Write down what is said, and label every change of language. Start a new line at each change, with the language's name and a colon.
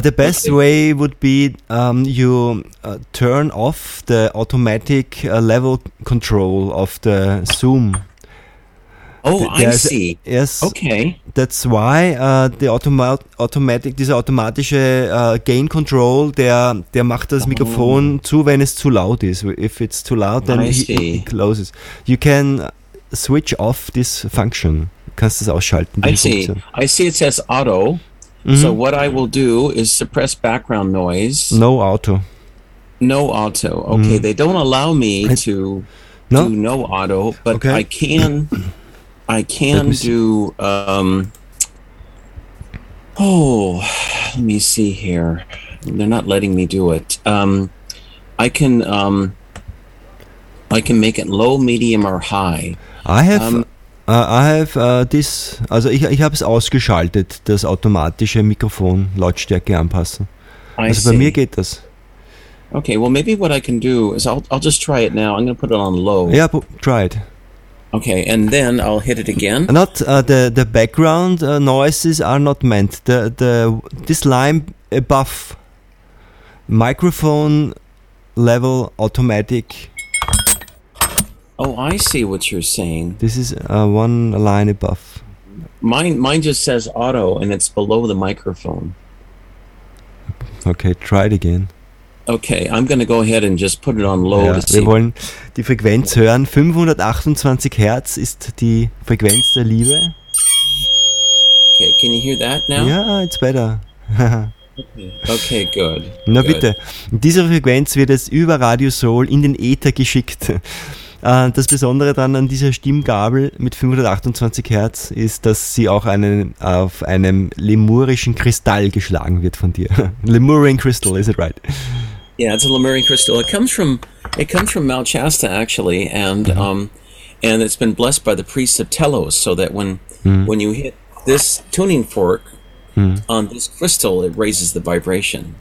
English: The best way would be you turn off the automatic level control of the Zoom. Oh, I see. Yes. Okay. That's why
German: dieser automatische gain control, der macht das Mikrofon zu, wenn es zu laut ist.
English: If it's too loud, then it closes. You can switch off this function.
German: Kannst das ausschalten.
English: I see it says auto. Mm-hmm. So what I will do is suppress background noise. No auto. No auto. Okay, mm-hmm, they don't allow me to do no auto, but okay, I can... I can do, let me see here. They're not letting me do it. I can make it low, medium, or high.
German: Ich habe es ausgeschaltet, das automatische Mikrofon Lautstärke anpassen. Also bei mir geht das.
English: Okay, well, maybe what I can do is I'll just try it now. I'm going to put it on low. Yeah, try it. Okay, and then I'll hit it again. Not the background noises are not meant. This line above microphone level automatic. Oh, I see what you're saying. This is one line above. Mine just says auto, and it's below the microphone. Okay, try it again. Okay, I'm going to go ahead and just put it on low.
German: Ja, wir wollen die Frequenz hören. 528 Hertz ist die Frequenz der Liebe.
English: Okay, can you hear that now? Yeah, it's better. Okay, good. Na good.
German: Bitte, diese Frequenz wird jetzt über Radio Soul in den Äther geschickt. Das Besondere dann an dieser Stimmgabel mit 528 Hertz ist, dass sie auch auf einem lemurischen Kristall geschlagen wird von dir.
English: Lemurian Crystal, is it right? Yeah, it's a Lemurian crystal. It comes from Mount Shasta, actually, and mm-hmm, and it's been blessed by the priests of Telos, so that when mm-hmm, when you hit this tuning fork mm-hmm on this crystal, it raises the vibration.